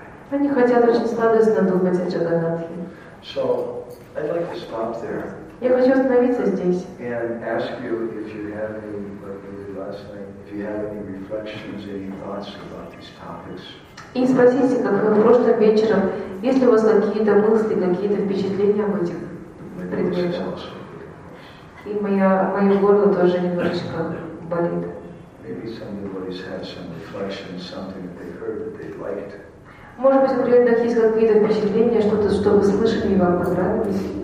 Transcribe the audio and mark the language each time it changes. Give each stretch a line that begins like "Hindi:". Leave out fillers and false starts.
Russian: Они хотят очень сладостно думать о Джаганнатхе.
English: So, I'd like to stop there.
Russian: Я хочу остановиться здесь.
English: And ask you if you have any, like maybe last night, if you have any reflections, any thoughts about these topics.
Russian: И спросите, как вы прошлым вечером, есть ли у вас какие-то мысли, какие-то впечатления об этих предметах? И мое горло тоже немножечко болит.
English: Maybe somebody has some reflections, something that they heard that they liked.
Russian: Может быть, у преданных есть какие-то впечатления, что-то, что вы слышали и вам понравилось.